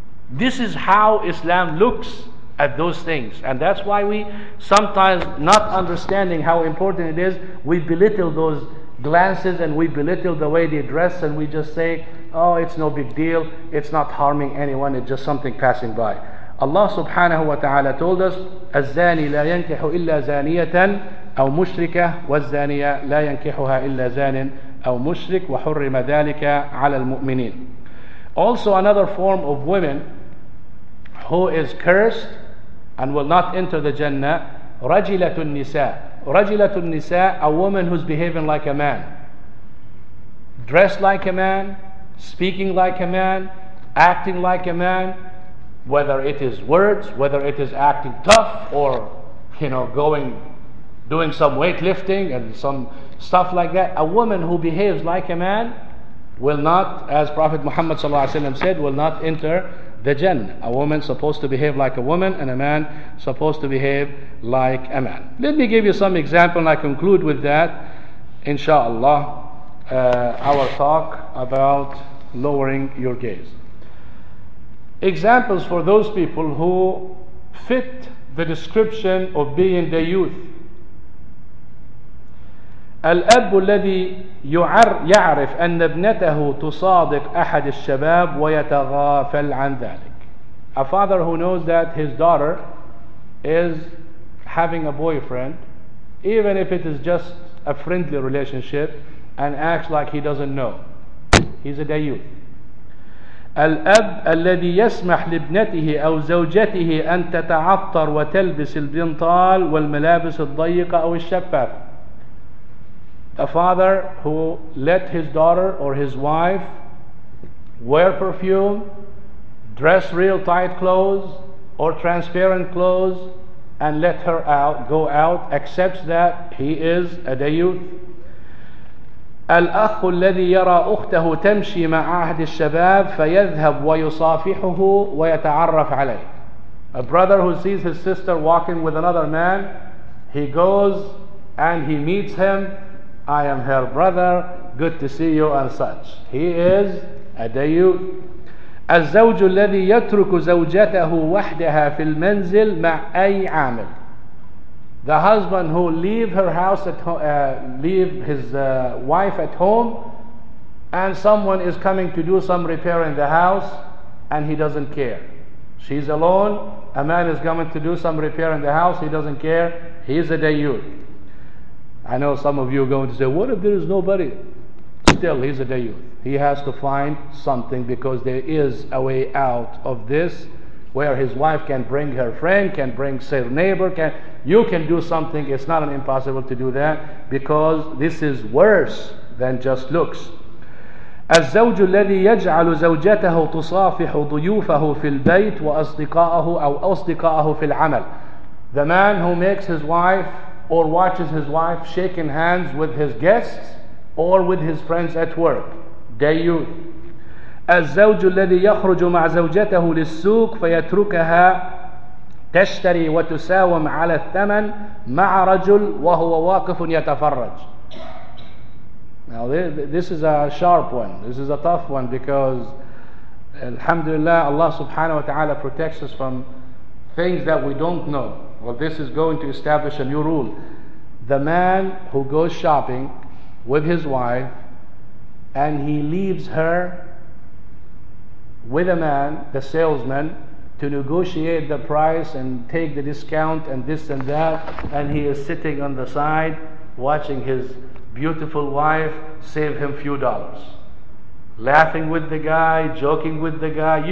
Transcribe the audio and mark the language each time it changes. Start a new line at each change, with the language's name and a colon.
English: This is how Islam looks at those things. And that's why we sometimes, not understanding how important it is, we belittle those glances and we belittle the way they dress and we just say, oh, it's no big deal, it's not harming anyone, it's just something passing by. Allah subhanahu wa ta'ala told us,
Arabic: الزاني لا ينكح إلا زانية أو مشركة والزانية لا ينكحها إلا زان أو مشرك وحرم ذلك على المؤمنين.
English: Also another form of women who is cursed and will not enter the Jannah,
Arabic: رجلة النساء. رجلة النساء,
English: a woman who's behaving like a man, dressed like a man, speaking like a man, acting like a man, whether it is words, whether it is acting tough, or you know, going, doing some weightlifting and some stuff like that. A woman who behaves like a man will not, as Prophet Muhammad sallallahu alaihi wasallam said, will not enter the Jannah. A woman supposed to behave like a woman, and a man supposed to behave like a man. Let me give you some example, and I conclude with that, inshallah. our talk about lowering your gaze. Examples for those people who fit the description of being the youth.
Arabic: الأب الذي يعرف أن ابنته تصادق أحد الشباب ويتغافل عن ذلك.
English: A father who knows that his daughter is having a boyfriend, even if it is just a friendly relationship, and acts like he doesn't know. He's a dayuth.
Arabic: الأب الذي يسمح لابنته أو زوجته أن تتعطر وتلبس البنطال والملابس الضيقة أو الشفافة.
English: A father who let his daughter or his wife wear perfume, dress real tight clothes or transparent clothes, and let her out, go out, accepts that he is a dayuth.
Arabic: الأخ الذي يرى أخته تمشي مع أحد الشباب فيذهب ويصافحه ويتعرف عليه.
English: A brother who sees his sister walking with another man, he goes and he meets him. I am her brother, good to see you and such. He is a dayuth.
Arabic: الزوج الذي يترك زوجته وحدها في المنزل مع أي عامل.
English: The husband who leave her house at leave his wife at home, and someone is coming to do some repair in the house, and he doesn't care. She's alone. A man is coming to do some repair in the house. He doesn't care. He's a dayuth. I know some of you are going to say, what if there is nobody? Still, he's a dayuth. He has to find something, because there is a way out of this where his wife can bring her friend, can bring her neighbor, can you can do something. It's not an impossible to do that, because this is worse than just looks.
Arabic: الزوج الذي يجعل زوجته تصافح ضيوفه في البيت وأصدقائه أو أصدقائه في العمل.
English: The man who makes his wife or watches his wife shaking hands with his guests or with his friends at work.
Arabic: دايوث. الزوج الذي يخرج مع زوجته للسوق فيتركها تشتري وتساوم على الثمن مع رجل وهو واقف يتفرج.
English: Now this is a sharp one. This is a tough one, because alhamdulillah Allah subhanahu wa ta'ala protects us from things that we don't know. Well, this is going to establish a new rule. The man who goes shopping with his wife and he leaves her with a man, the salesman, to negotiate the price and take the discount and this and that, and he is sitting on the side watching his beautiful wife save him few dollars, laughing with the guy, joking with the guy.